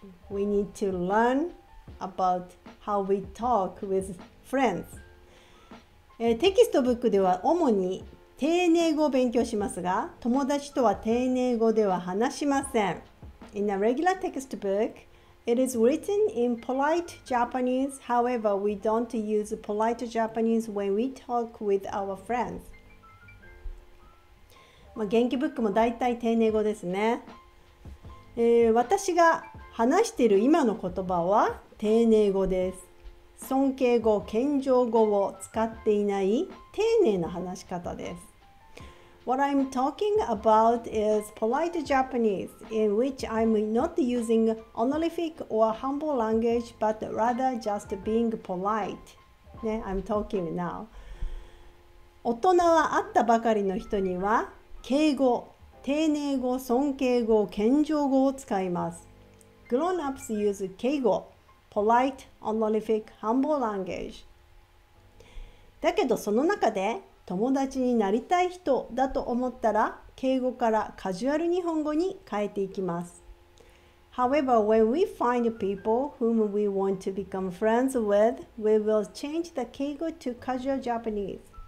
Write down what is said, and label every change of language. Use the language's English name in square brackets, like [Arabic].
[English] We need to learn about how we talk with friends. [Japanese] テキストブックでは主に丁寧語を勉強しますが、友達とは丁寧語では話しません。 [English] In a regular textbook, it is written in polite Japanese. However, we don't use polite Japanese when we talk with our friends. [Japanese] 元気ブックもだいたい丁寧語ですね。私が話している今の言葉は丁寧語です。尊敬語、謙譲語を使っていない丁寧な話し方です。 [English] What I'm talking about is polite Japanese, in which I'm not using honorific or humble language, but rather just being polite. ね、I'm talking now. [Japanese] 大人は会ったばかりの人には、敬語、丁寧語、尊敬語、謙譲語を使います。 [English] Grown-ups use 敬語、polite, honorific, humble language. [Japanese] だけど、その中で友達になりたい人だと思ったら、敬語からカジュアル日本語に変えていきます。 [English] However, when we find people whom we want to become friends with, we will change the 敬語 to casual Japanese.